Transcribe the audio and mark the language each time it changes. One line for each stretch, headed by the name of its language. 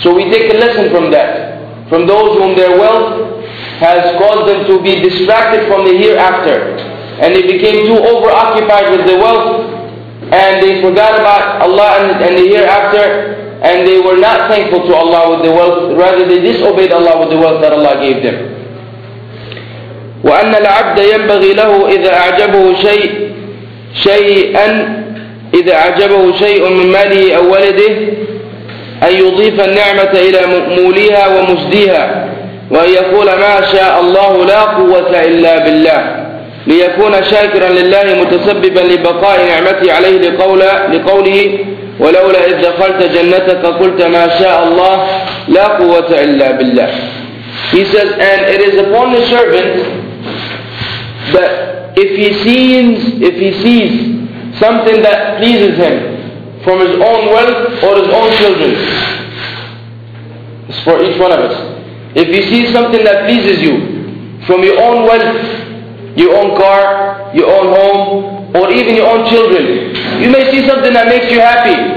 English: So we take a lesson from that, from those whom their wealth has caused them to be distracted from the hereafter, and they became too overoccupied with the wealth, and they forgot about Allah and the hereafter, and they were not thankful to Allah with the wealth, rather they disobeyed Allah with the wealth that Allah gave them.
Arabic: وأن العبد ينبغي له إذا أعجبه شيء شيئا إذا أعجبه شيء من ماله أو ولده أن يضيف النعمة إلى مؤموليها ومسديها، وأن يقول ما شاء الله لا قوة إلا بالله، ليكون شاكرا لله متسببا لبقاء نعمته عليه لقوله ولولا إذ دخلت جنتك قلت ما شاء الله لا قوة إلا بالله.
English: He says, and it is upon the servant that if he sees something that pleases him from his own wealth or his own children, it's for each one of us. If you see something that pleases you from your own wealth, your own car, your own home, or even your own children, you may see something that makes you happy.